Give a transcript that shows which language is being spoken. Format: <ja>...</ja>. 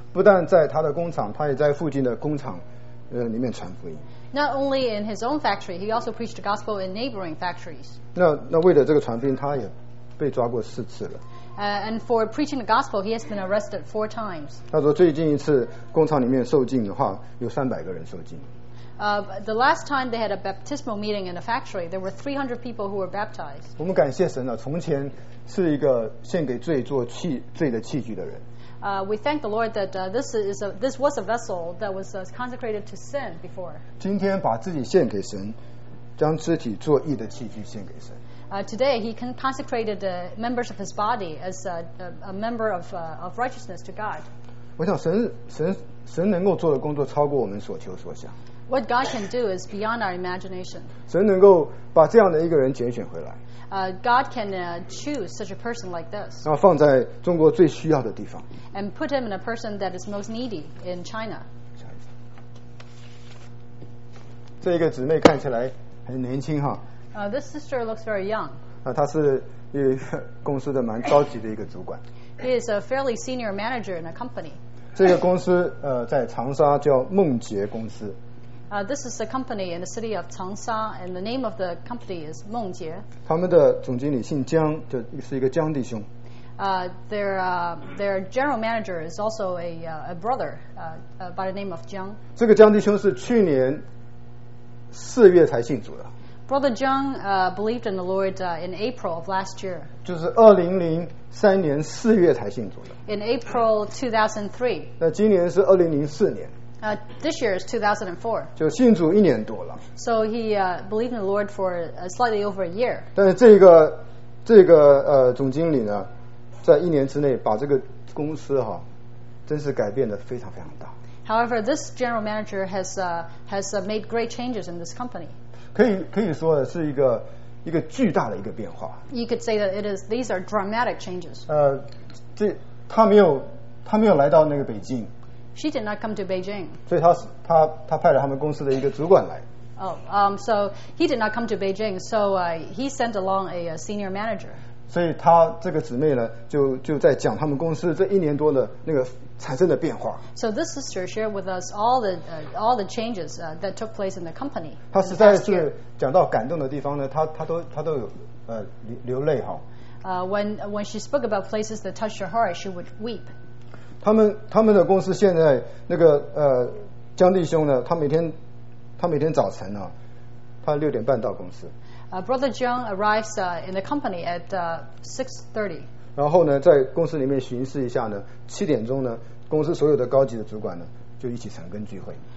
<zh>不但在他的工厂，他也在附近的工厂，里面传福音。</zh> <en>Not only in his own factory, he also preached the gospel in neighboring factories.</en> <zh>那为了这个传福音，他也被抓过四次了。</zh> <en>And for preaching the gospel, he has been arrested 4 times.</en> <zh>他说最近一次工厂里面受浸的话，有300个人受浸。</zh> <en>The last time they had a baptismal meeting in a factory, there were 300 people who were baptized.</en> <zh>我们感谢神啊，从前是一个献给罪做器罪的器具的人。</zh> <en>We thank the Lord that this was a vessel that was consecrated to sin before.</en> <zh>今天把自己献给神，将肢体做义的器具献给神。</zh> <en>Today he consecrated the members of his body as a member of righteousness to God.</en> <zh>我想神能够做的工作超过我们所求所想。</zh> <en>What God can do is beyond our imagination.</en> <zh>神能够把这样的一个人拣选回来。</zh> <en>God can choose such a person like this.</en> <zh>然后放在中国最需要的地方。</zh> <en>And put him in a person that is most needy in China.</en> <zh>这一个姊妹看起来很年轻哈。</zh> <en>This sister looks very young.</en> <zh>她是一个公司的蛮高级的一个主管。</zh> <en>He is a fairly senior manager in a company.</en> <zh>这个公司在长沙叫梦洁公司。</zh> <en>This is a company in the city of Changsha, and the name of the company is 梦洁。</en> <zh>他们的总经理姓江，就是一个江弟兄。</zh> <en>Their general manager is also a brother by the name of 江。</en> <zh>这个江弟兄是去年四月才信主的。</zh> <en>Brother 江 believed in the Lord in April of last year.</en> <zh>就是2003年四月才信主的。</zh> <en>In April 2003.</en> <zh>那今年是2004年。</zh> <en>This year is 2004.</en> <zh>就信主一年多了。</zh> <en>So he believed in the Lord for slightly over a year.</en> <zh>但是这个总经理呢，在一年之内把这个公司哈，真是改变的非常非常大。</zh> <en>However, this general manager has made great changes in this company.</en> <zh>可以说的是一个巨大的一个变化。</zh> <en>You could say that these are dramatic changes.</en> <zh>他没有来到那个北京。</zh> <en>She did not come to Beijing.</en> <zh>所以他派了他们公司的一个主管来。</zh> <en>So he did not come to Beijing. So he sent along a senior manager.</en> <zh>所以他这个姊妹呢，就在讲他们公司这一年多的那个产生的变化。</zh> <en>So this sister shared with us all the changes that took place in the company.</en> <zh>他实在是讲到感动的地方呢，他都有流泪哈。</zh> <en>When she spoke about places that touched her heart, she would weep.</en> <zh>他们的公司现在那个江弟兄呢，他每天早晨呢，他6:30到公司。</zh> <en>Brother John arrives in the company at 6:30.</en> <zh>然后呢，在公司里面巡视一下呢，7:00呢，公司所有的高级的主管呢，就一起晨更聚会。</zh>